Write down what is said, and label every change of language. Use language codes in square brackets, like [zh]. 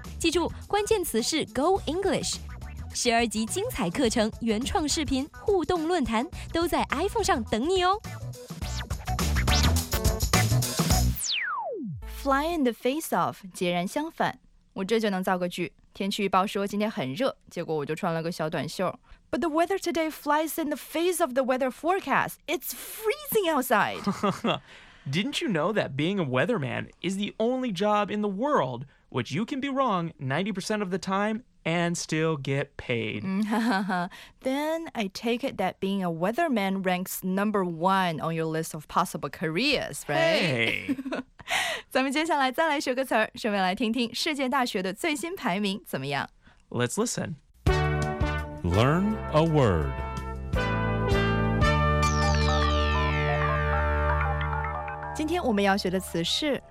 [zh] 记住，关键词是 Go English。十二集精彩课程、原创视频、互动论坛都在 iPhone 上等你哦。 [en] Fly in the face of [zh] 截然相反，我这就能造个句。天气预报说今天很热，结果我就穿了个小短袖。 [en] But the weather today flies in the face of the weather forecast. It's freezing outside. Didn't you know that being a weatherman is the only job in the world which you can be wrong 90% of the time and still get paid? Then I take it that being a weatherman ranks number one on your list of possible careers, right? Hey! [zh] 咱们接下来再来学个词儿，顺便来听听世界大学的最新排名怎么样。 [en] Let's listen. Learn a word. Today, we're going to learn the word